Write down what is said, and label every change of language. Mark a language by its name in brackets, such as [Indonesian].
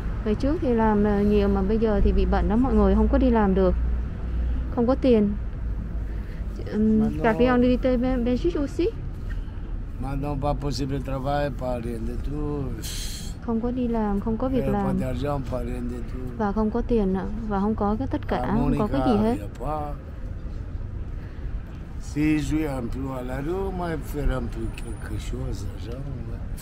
[Vietnamese] Ngày trước thì làm nhiều mà bây giờ thì bị bận lắm mọi người, không có đi làm được. Không có tiền. Các bạn đi tới bên chút [French] aussi. [Vietnamese] Mà [French] non pas possible travailler pas rien du tout. [Vietnamese] Không có đi làm, không có việc làm. Và không có tiền ạ, và không có cái tất cả, không có cái gì hết. [French] Si jouer un peu à la rue, moi faire un peu quelque chose, genre.